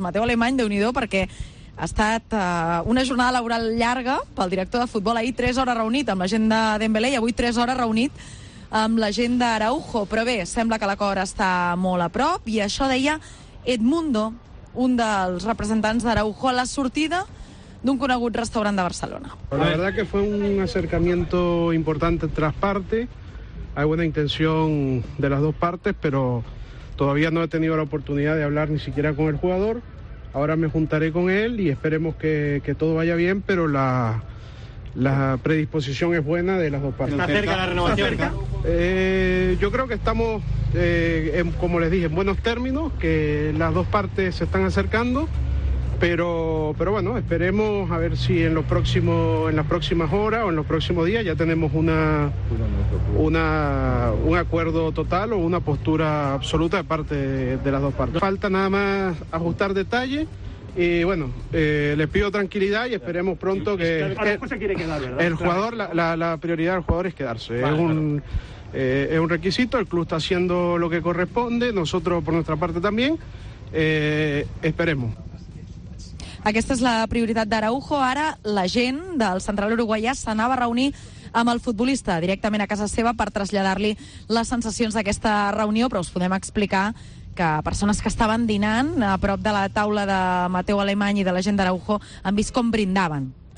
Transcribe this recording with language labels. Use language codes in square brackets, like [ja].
[ca] Mateu Alemany, déu-n'hi-do, perquè ha estat una jornada laboral llarga pel director de futbol. Ahir 3 hores reunit amb la gent de Dembélé i avui 3 hores reunit amb la gent d'Araujo. Però bé, sembla que l'acord està molt a prop i això deia Edmundo, un dels representants d'Araujo, a la sortida d'un conegut restaurant de Barcelona. [es] La verdad que fue un acercamiento importante tras parte. Hay buena intención de las dos partes, pero todavía no he tenido la oportunidad de hablar ni siquiera con el jugador. Ahora me juntaré con él y esperemos que todo vaya bien, pero la predisposición es buena de las dos partes. ¿Está cerca la renovación? Yo creo que estamos, como les dije, en buenos términos, que las dos partes se están acercando, pero bueno, esperemos a ver si en las próximas horas o en los próximos días ya tenemos un acuerdo total o una postura absoluta de parte de las dos partes. Falta nada más ajustar detalles y bueno, les pido tranquilidad y esperemos pronto que el jugador, la prioridad del jugador es quedarse. Vale, es un requisito, el club está haciendo lo que corresponde, nosotros por nuestra parte también, esperemos. [ca] Aquesta és la prioritat d'Araujo. Ara la gent del central uruguaià s'anava a reunir amb el futbolista directament a casa seva per traslladar-li les sensacions d'aquesta reunió, però us podem explicar que persones que estaven dinant a prop de la taula de Mateu Alemany i de la gent d'Araujo han vist com brindaven.